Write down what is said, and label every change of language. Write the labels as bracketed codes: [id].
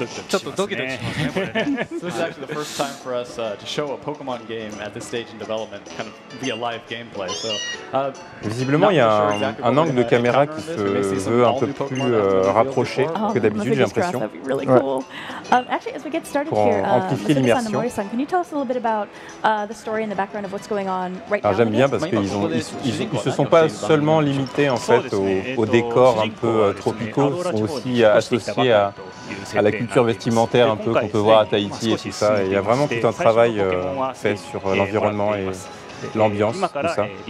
[en] This is actually the first time for us to show a Pokemon game at this stage in development, kind of via live gameplay. So, [fr] visiblement, il y a un angle de caméra qui se veut un peu plus rapproché que d'habitude, j'ai l'impression. [en] Actually, as we get started here, [fr] amplifier l'immersion. [en] Can you tell us a little bit about the story and the background of what's going on right now? [fr] J'aime bien parce qu'ils ne se sont pas seulement limités en fait au décor un peu tropicaux, ils sont aussi associés à la culture vestimentaire un peu qu'on peut voir à Tahiti et tout ça. Il y a vraiment tout un travail fait sur l'environnement et l'ambiance, tout ça.